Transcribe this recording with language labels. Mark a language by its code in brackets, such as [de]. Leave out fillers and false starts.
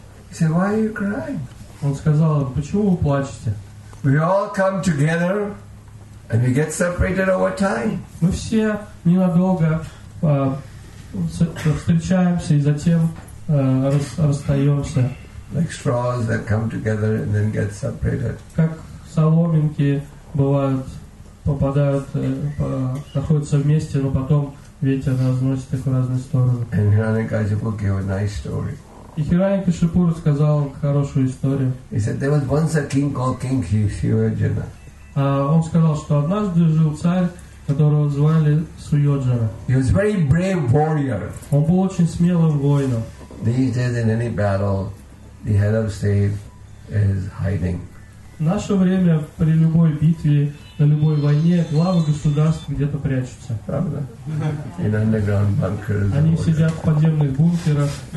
[en] He said, "Why are you crying?" [ru] Он сказал: "Почему вы плачете?" [en] We all come together, and we get separated over time. [ru] Мы все ненадолго встречаемся и затем расстаемся. [en] Like straws that come together and then get separated. [ru] Как соломинки бывают, попадают, находятся вместе, но потом ветер разносит их в разные стороны. [en] And Hiranyakashipu gave a nice story. [ru] И Хираньякашипу рассказал хорошую историю. [en] He said there was once a king called King Suyojana. [ru] Он сказал, что однажды жил царь, которого звали Суйоджана. [en] He was a very brave warrior. [ru] Он был очень смелым воином. [en] These days in any battle, the head of state is hiding. [ru] В наше время при любой битве, на любой войне, главы государств где-то прячутся. Правда? [en] In underground bunkers. [ru] Они сидят в подземных бункерах.